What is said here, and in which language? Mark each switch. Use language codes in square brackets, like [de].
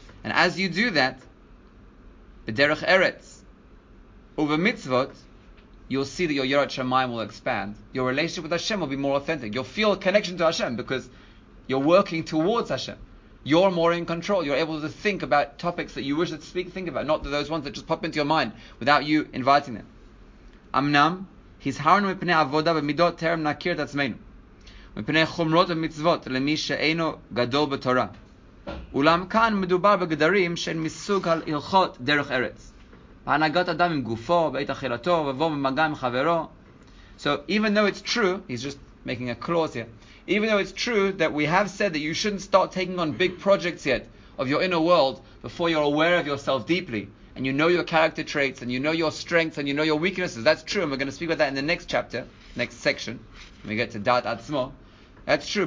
[en] And as you do that, the Derech Eretz, over mitzvot, you'll see that your Yirat Shamayim will expand. Your relationship with Hashem will be more authentic. You'll feel a connection to Hashem because you're working towards Hashem. You're more in control. You're able to think about topics that you wish to speak, think about, not those ones that just pop into your mind without you inviting them. [he] Amnam, his harun mipnei avoda b'midot terem nakir tatzmeinu. מפני חומרות ומצוות למי שאינו גדול בתורה. אולם כאן מדובר בגדרים שהן מסוג הלכות דרך ארץ. בהנהגת אדם עם גופו, בעת אכילתו, ובוא במגע עם חברו. [en] So even though it's true, he's just making a clause here, even though it's true that we have said that you shouldn't start taking on big projects yet of your inner world before you're aware of yourself deeply, and you know your character traits, and you know your strengths, and you know your weaknesses. That's true, and we're going to speak about that in the next chapter, next section. We get to Da'at Atzmo. That's true.